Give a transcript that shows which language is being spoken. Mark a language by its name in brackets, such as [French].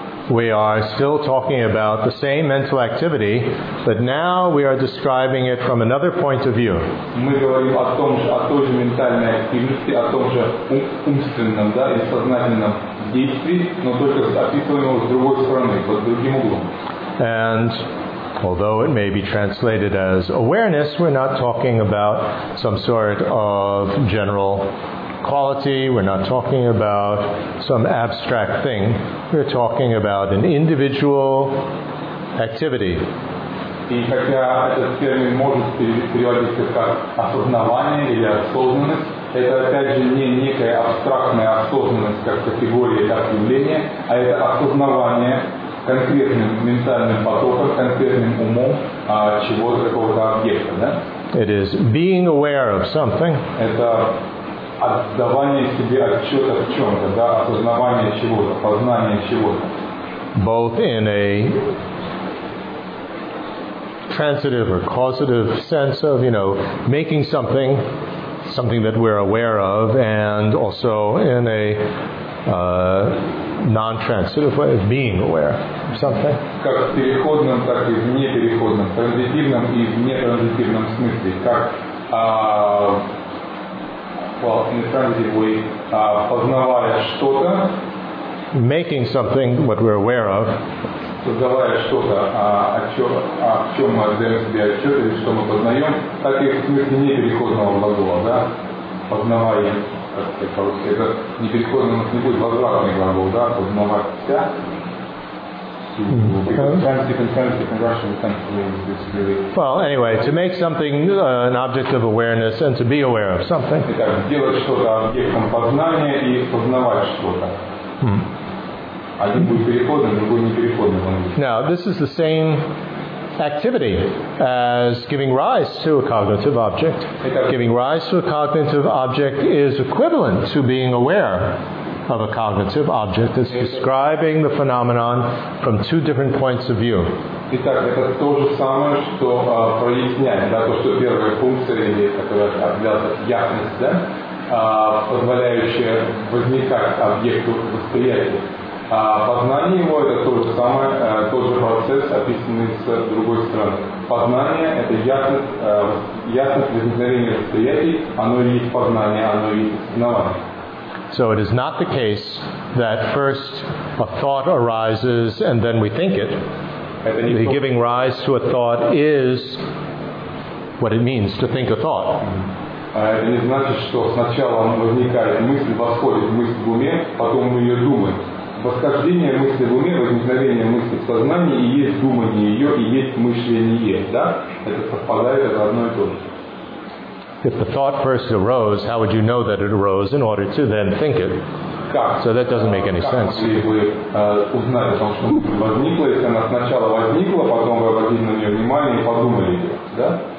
[English] we are still talking about the same mental activity, but now we are describing it from another point of view. [Russian] Мы говорим о том же, о той же ментальной активности, о том же умственном, да, и сознательном действии, но только описываем его с другой стороны, под другим углом. [English] And although it may be translated as awareness, we're not talking about some sort of general quality, we're not talking about some abstract thing, we're talking about an individual activity. [Russian] И хотя этот термин может переводиться как осознавание или осознанность, это опять же не некая абстрактная осознанность как категория, как явление, а это осознавание конкретным ментальным потоком, конкретным умом чего-то, какого-то объекта, да? [English] It is being aware of something. [Russian] Это отдавание себе отчета в чем-то, да, осознавание чего-то, познание чего-то. [English] Both in a transitive or causative sense of, you know, making something, something that we're aware of, and also in a non-transitive way of being aware of something. [Russian] Как в переходном, так и в непереходном, транзитивном и в нетранзитивном смысле. Как, [English] in a transitive way, [Russian] познавая что-то, [English] making something what we're aware of, [Russian] создавая что-то, о чем мы отдаем себе отчет или что мы познаем, так и в смысле непереходного глагола, да? Познавая. Это не переходный, у нас не будет возвратный глагол, да, познавать. [English] Well, anyway, to make something an object of awareness and to be aware of something. [Russian] Итак, делать что-то объектом познания и познавать что-то. Один будет переходным, другой не переходным. [English] Now, this is the same activity as giving rise to a cognitive object. Giving rise to a cognitive object is equivalent to being aware of a cognitive object. It's describing the phenomenon from two different points of view. [Russian] Итак, это то же самое, что проясняет, да, то, что первая функция, или которая объявляется ясность, да, позволяющая возникать объекту восприятия. Познание его – это то же самое, тот же процесс, описанный с другой стороны. Познание – это ясность возникновения восприятий, оно и есть познание, оно и есть знание. [English] So it is not the case that first a thought arises and then we think it. The giving rise to a thought is what it means to think a thought. [Russian] Это не значит, что сначала возникает мысль, восходит мысль в уме, потом мы ее думаем. Восхождение мысли в уме, возникновение мысли в сознании и есть думание ее, и есть мышление, да? Это совпадает, это одно и то же. [English] If the thought first arose, how would you know that it arose in order to then think it? [Russian] Как? [English] So that doesn't make any sense. [Russian] Как могли бы узнать о том, что мысль возникла, если она сначала возникла, потом вы обратили на нее внимание и подумали ее, да?